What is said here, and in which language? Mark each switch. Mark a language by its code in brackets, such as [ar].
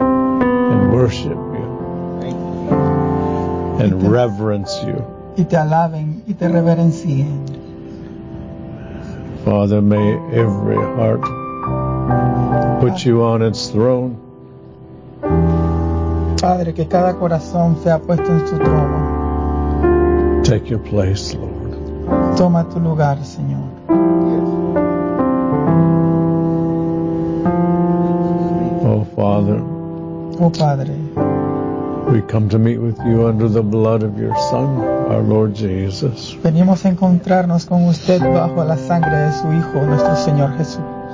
[en] And worship you. And reverence you. [es] Y te alaben y te reverencien. [en] Father, may every heart put you on its throne. [es] Padre, que cada corazón sea puesto en su trono. [en] Take your place, Lord. [es] Toma tu lugar, Señor. [en] Oh, Father. [es] Oh, Padre. [en] We come to meet with you under the blood of your Son, our Lord Jesus. [es] Venimos a encontrarnos con usted bajo la sangre de su Hijo, nuestro Señor Jesús.